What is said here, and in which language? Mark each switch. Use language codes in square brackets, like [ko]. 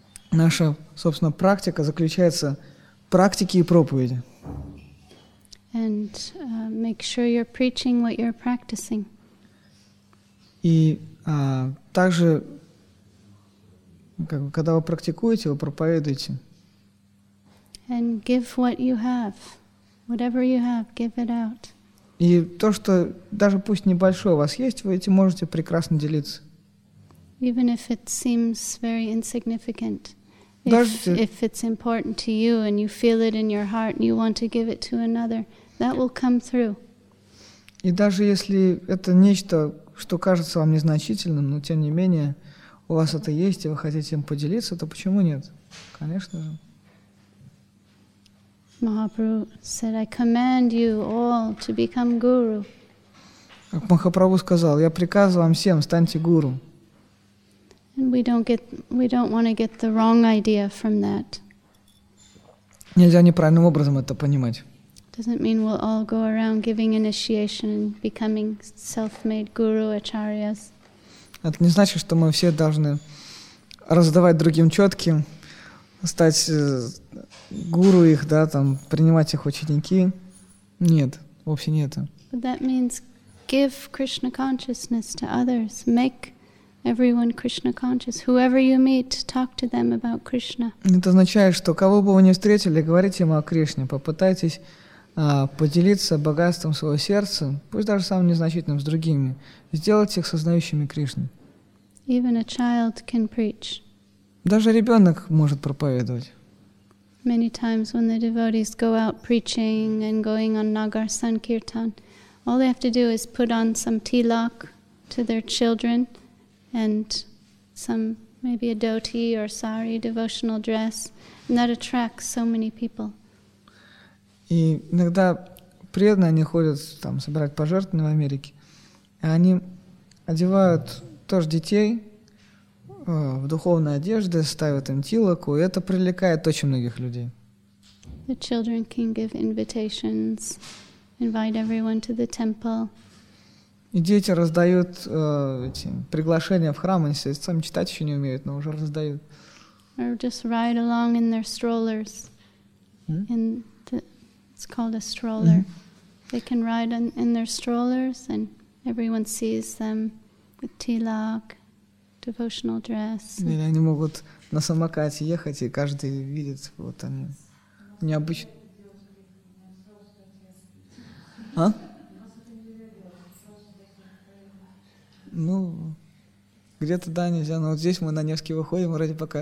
[ru] Наша, собственно, практика заключается в практике и проповеди. [en] And make sure you're preaching what you're practicing. [ru] И также, как бы, когда вы практикуете, вы проповедуете. [en] And give what you have. Whatever you have, give it out. [ru] И то, что даже пусть небольшое у вас есть, вы этим можете прекрасно делиться. [en] Even if it seems very insignificant. If it's important to you and you feel it in your heart and you want to give it to another, that will come through. [ru] И даже если это нечто, что кажется вам незначительным, но тем не менее у вас это есть и вы хотите им поделиться, то почему нет? Конечно же. [en] Mahaprabhu said, "I command you all to become guru." [ru] Как Махапрабху сказал, я приказываю вам всем, станьте гуру. [en] And we don't want to get the wrong idea from that. [ru] Нельзя неправильным образом это понимать. [en] Doesn't mean we'll all go around giving initiation and becoming self-made guru acharyas. [ru] Это не значит, что мы все должны раздавать другим чётки, стать гуру их, да, там, принимать их ученики. Нет, вовсе не это. [en] But that means give Krishna consciousness to others, make everyone Krishna conscious. Whoever you meet, talk to them about Krishna. [ru] Это означает, что кого бы вы ни встретили, говорите им о Кришне, попытайтесь поделиться богатством своего сердца, пусть даже самым незначительным, с другими, сделать их сознающими Кришны. [en] Even a child can preach. [ru] Даже ребенок может проповедовать. [en] Many times when the devotees go out preaching and going on Nagar Sankirtan, all they have to do is put on some tilak to their children and some maybe a dhoti or sari devotional dress, and that attracts so many people. [ru] И иногда преданные, они ходят там собирать пожертвования в Америке, и они одевают тоже детей в духовные одежды, ставят им тилаку, и это привлекает очень многих людей. [en] The children can give invitations, invite everyone to the temple. [ru] И дети раздают эти приглашения в храм, они сами читать еще не умеют, но уже раздают. [en] Or just ride along in their strollers. It's called a stroller. They can ride in their strollers, and everyone sees them with tilak, devotional dress. [ru] Или они могут на самокате ехать, и каждый видит, вот они необычные. А? Ну, где-то да, нельзя. Но вот здесь мы на Невский выходим, вроде пока...